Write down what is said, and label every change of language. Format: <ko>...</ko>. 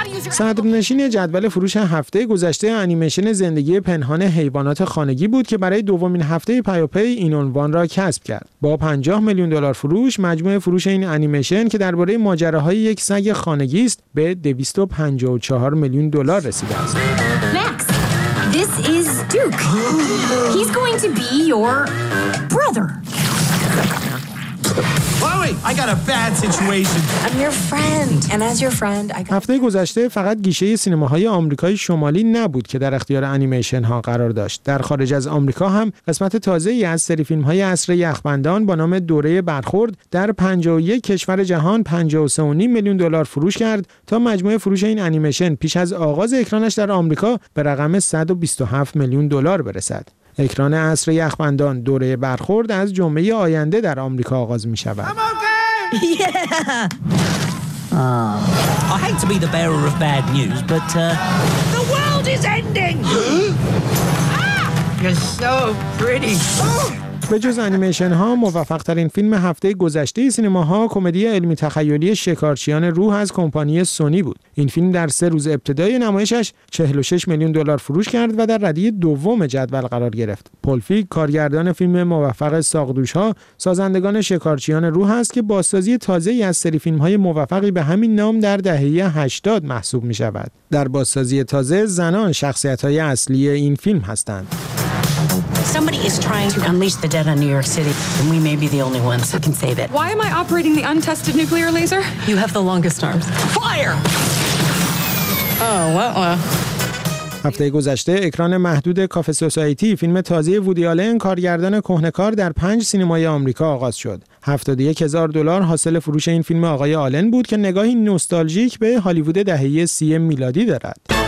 <fa>صدرنشین جدول فروش هفته گذشته انیمیشن زندگی پنهان حیوانات خانگی بود که برای دومین هفته پیاپی این عنوان را کسب کرد. با 50 میلیون دلار فروش، مجموع فروش این انیمیشن که درباره ماجراهای یک سگ خانگی است به 254 میلیون دلار رسیده است.</fa> <en>Max, this is Duke. He's going to be your brother. I got a bad situation. I'm your friend, and as your friend, I.</en> <fa>هفته گذشته فقط گیشه سینماهای آمریکای شمالی نبود که در اختیار انیمیشن ها قرار داشت. در خارج از آمریکا هم قسمت تازه‌ای از سری فیلم‌های عصر یخبندان با نام دوره برخورد در 51 کشور جهان 53.5 میلیون دلار فروش کرد تا مجموعه فروش این انیمیشن پیش از آغاز اکرانش در آمریکا به رقم 127 میلیون دلار برسد. اکران عصر یخبندان دوره برخورد از جمعه آینده در آمریکا آغاز می شود.</fa> <en>I hate to be the bearer of bad news, but the world is ending. You're so pretty.</en> <fa>به جز انیمیشن ها، موفق ترین فیلم هفته گذشته سینما ها کمدی علمی تخیلی شکارچیان روح از کمپانی سونی بود. این فیلم در سه روز ابتدای نمایشش 46 میلیون دلار فروش کرد و در ردی دوم جدول قرار گرفت. پول فیگ کارگردان فیلم موفق ساقدوش ها، سازندگان شکارچیان روح است که بازسازی تازه ای از سری فیلم های موفقی به همین نام در دهه 80 محسوب می شود. در بازسازی تازه، زنان شخصیت های اصلی این فیلم هستند.</fa> <en>Somebody is trying to unleash the dead on New York City, and we may be the only ones who can save it. Why am I operating the untested nuclear laser? You have the longest arms. Fire! Oh, well.</en> <fa>هفته گذشته اکران محدود کافه سوسایتی فیلم تازه وودی آلن کارگردان کهنه‌کار در 5 سینمای آمریکا آغاز شد. 71000 دلار حاصل فروش این فیلم آقای آلن بود که نگاهی نوستالژیک به هالیوود دهه 30 میلادی دارد.</fa>